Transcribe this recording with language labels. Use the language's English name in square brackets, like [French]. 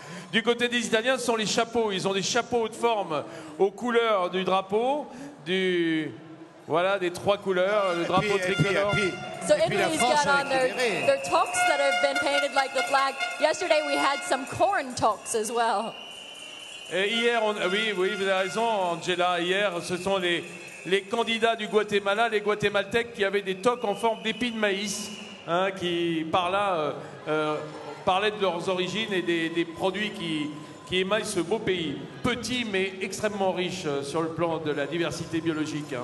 [French] Du côté des Italiens, ce sont les chapeaux. Ils ont des chapeaux de forme aux couleurs du drapeau, des 3 couleurs, le drapeau tricolore. [English] So Italy's got on their tocs that have been painted like the flag. Yesterday we had some corn tocs as well. [French] Et hier, oui, vous avez raison, Angela. Hier, ce sont les candidats du Guatemala, les Guatémaltèques, qui avaient des toques en forme d'épis de maïs, hein, qui par là parlaient de leurs origines et des produits qui émaillent ce beau pays, petit mais extrêmement riche sur le plan de la diversité biologique.